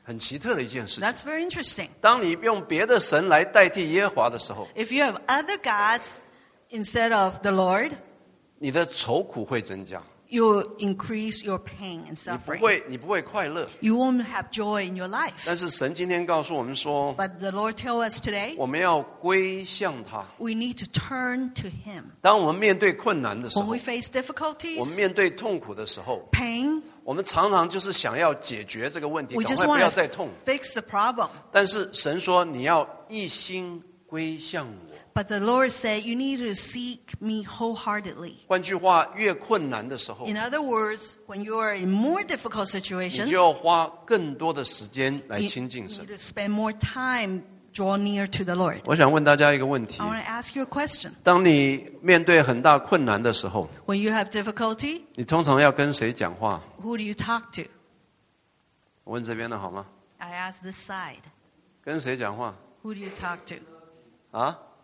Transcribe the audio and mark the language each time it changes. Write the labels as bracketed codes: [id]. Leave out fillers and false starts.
[zh] 很奇特的一件事情 [en] That's very interesting. [zh] 当你用别的神来代替耶和华的时候 [en] If you have other gods instead of the Lord, [zh] 你的愁苦会增加。 [en] You increase your pain and suffering. [zh] 你不会快乐。 [en] You won't have joy in your life. [zh] 但是神今天告诉我们说 [en] But the Lord tells us today, [zh] 我们要归向他。 [en] We need to turn to him. [zh] 当我们面对困难的时候 [en] When we face difficulties, [zh] 我们面对痛苦的时候 [en] Pain, [zh] 我们常常就是想要解决这个问题，赶快不要再痛。 [en] Fix the problem. [zh] 但是神说你要一心归向我。 [en] But the Lord said you need to seek me wholeheartedly. [zh] 换句话，越困难的时候。 [en] In other words, when you are in more difficult situation, [zh] 你就要花更多的时间来亲近神。 [en] You need to spend more time draw near to the Lord. [zh] 我想问大家一个问题。 [en] I want to ask you a question. [zh] 当你面对很大困难的时候。 [en] When you have difficulty, [zh] 你通常要跟谁讲话？ [en] Who do you talk to? [zh] 我问这边的好吗？ [en] I ask this side. [zh] 跟谁讲话？ [en] Who do you talk to? 啊？